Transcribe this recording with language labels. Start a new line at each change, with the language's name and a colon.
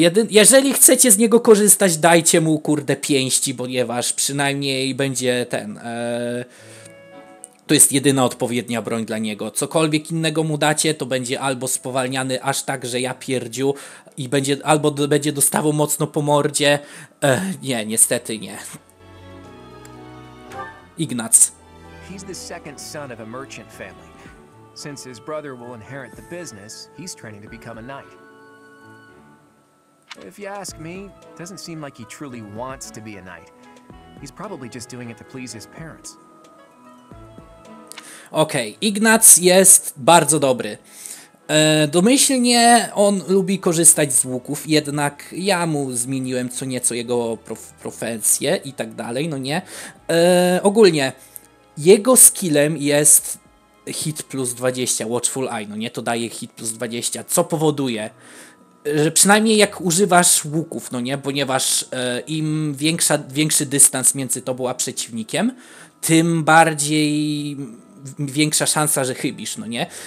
Polish: Jeżeli chcecie z niego korzystać, dajcie mu kurde pięści, ponieważ przynajmniej będzie ten... to jest jedyna odpowiednia broń dla niego. Cokolwiek innego mu dacie, to będzie albo spowalniany aż tak, że ja pierdziu, i będzie, albo będzie dostawał mocno po mordzie. Nie, niestety nie. Ignac.
English: He's the second son of a merchant family. Since his brother will inherit the business, he's training to become a knight. If you ask me, doesn't seem like he truly wants to be a knight. He's probably just doing it to please his parents.
Polish: Okej, okay. Ignac jest bardzo dobry. Domyślnie on lubi korzystać z łuków, jednak ja mu zmieniłem co nieco jego profesję i tak dalej, no nie. Ogólnie jego skillem jest hit plus 20, watchful eye, no nie, to daje hit plus 20, co powoduje, że przynajmniej jak używasz łuków, no nie, ponieważ im większy dystans między tobą a przeciwnikiem, tym bardziej większa szansa, że chybisz, no nie?